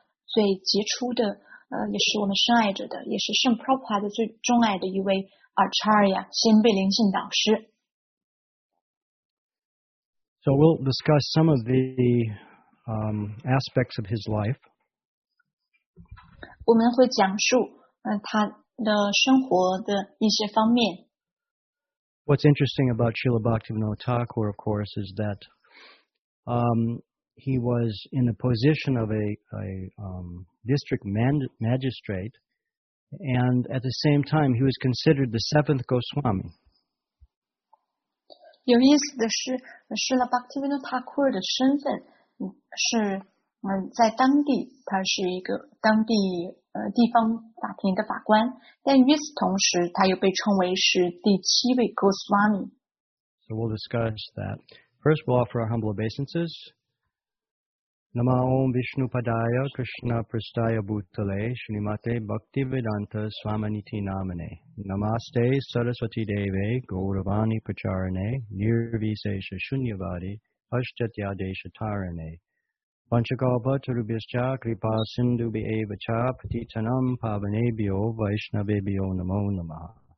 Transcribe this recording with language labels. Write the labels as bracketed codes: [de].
[zh] 今天的早课我们会一起来荣耀最杰出的, 也是我们深爱着的, 也是圣 Prabhupada最钟爱的一位 Acharya, 先辈灵性导师。 [en] So we'll discuss some of the aspects of his life. [zh] 我们会讲述, 他的生活的一些方面。 [en] What's interesting about Srila Bhaktivinoda Thakur, of course, is that he was in the position of a district magistrate, and at the same time, he was considered the seventh Goswami. [zh] 有意思的是, Srila Bhaktivinoda Thakur的身份, 是在当地，他是一个当地地方法庭的法官，但与此同时，他又被称为是第七位Goswami。 [en] So we'll discuss that. First, we'll offer our humble obeisances. [sa] Nama Om Vishnu Padaya Krishna Prastaya Bhutale Srimate Bhaktivedanta Swamaniti Namane Namaste Saraswati Deve Gauravani Pracharane Nirvisesha Shunyavadi Ashtatya Desha Tarane Panchakalpa Tarubhyascha Kripa Sindhubhi Eva Cha Patitanam Pavanebhyo Vaishnavebhyo Namo Namaha